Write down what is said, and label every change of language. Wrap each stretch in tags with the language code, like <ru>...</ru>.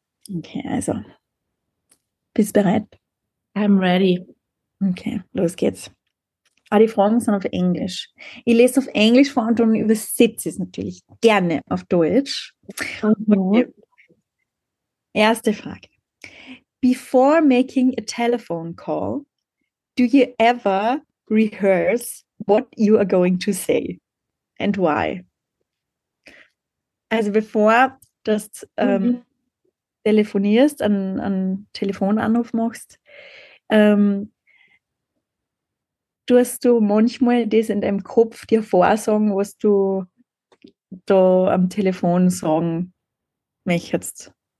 <de>Okay, also. Bist du bereit?</de> <en>I'm ready.</en> <de>Okay, los geht's. Ah, die Fragen sind auf Englisch. Ich lese auf Englisch vor und übersetze es natürlich gerne auf Deutsch. Okay. Erste Frage.</de> <en>Before making a telephone call, do you ever rehearse what you are going to say and why?</en> <de>Also bevor dass du telefonierst, einen Telefonanruf machst, tust du manchmal das in deinem Kopf dir vorsagen, was du da am Telefon sagen möchtest?</de>